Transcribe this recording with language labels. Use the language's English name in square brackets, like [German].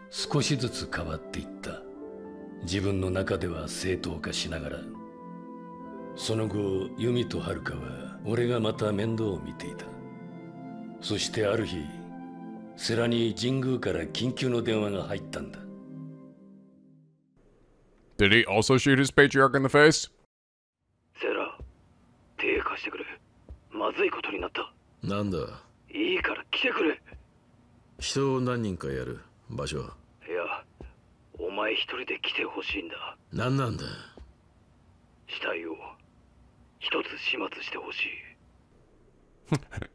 [Japanese] だが神宮のもとに総理の娘との縁談が舞い込み、その時席を入れてなかった弓は自ら身を引いた。神宮のためを思ってな。だが、それが歯車を大きく狂わせていったんだ。所詮神宮が手に入れた権力は他人から与えられたものだ。だが奴はそれを守るために少しずつ変わっていった。自分の中では正当化しながら、その後ユミとハルカは俺がまた面倒を見ていた。そしてある日、セラに神宮から緊急の電話が入ったんだ。 [English] Did he also shoot his patriarch in the face? [Japanese] セラ、手貸してくれ。まずいことになった。なんだ。いいから来てくれ。人を何人かやる場所は。お前一人で来てほしいんだ。何なんだ。死体を一つ始末してほしい。